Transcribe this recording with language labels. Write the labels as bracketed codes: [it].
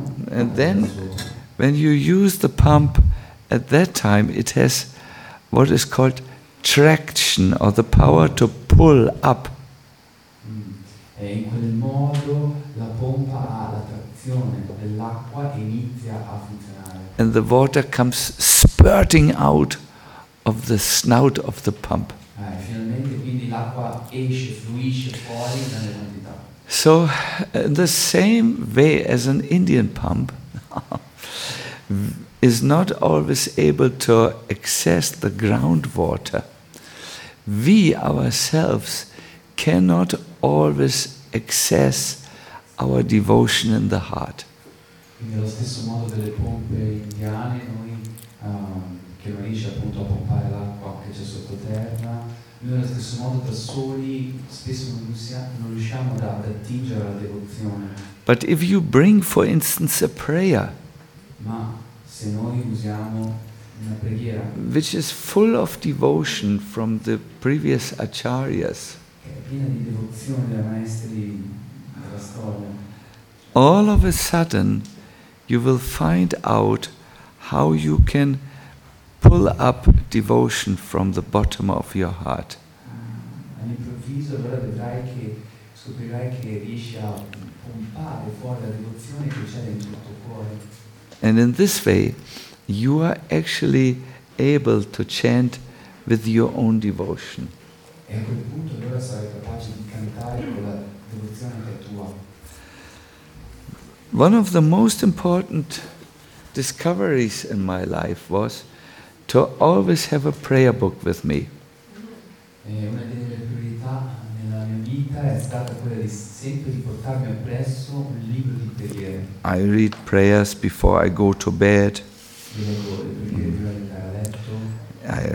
[en] And then, when you use the pump, at that time it has what is called traction, or the power to pull up. [it] E in quel modo la pompa ha la trazione dell'acqua e inizia a funzionare. [en] And the water comes spurting out of the snout of the pump. [it] Finalmente, quindi l'acqua esce, fluisce fuori dalle quantità. [en] So, in the same way as an Indian pump is not always able to access the groundwater, we ourselves cannot always access our devotion in the heart. [it] Quindi allo stesso modo delle pompe indiane, noi che non riesce appunto a pompare l'acqua che c'è sottoterra, noi allo stesso modo da soli spesso non riusciamo ad attingere alla devozione. [en] But if you bring, for instance, a prayer, [it] ma se noi usiamo una preghiera [en] which is full of devotion from the previous acharyas, [it] piena di devozione dei maestri della storia, [en] all of a sudden you will find out how you can pull up devotion from the bottom of your heart. [it] All'improvviso allora vedrai che scoprirai che riesci a pompare fuori la devozione che c'è dentro il tuo cuore. [en] And in this way, you are actually able to chant with your own devotion. [it] E a quel punto allora sarai capace di cantare con la devozione che è tua. [en] One of the most important discoveries in my life was to always have a prayer book with me. [it] Una delle priorità nella mia vita è stata quella di sempre di portarmi appresso un libro di preghiere. [en] I read prayers before I go to bed. [it] Leggo le preghiere prima di andare a letto.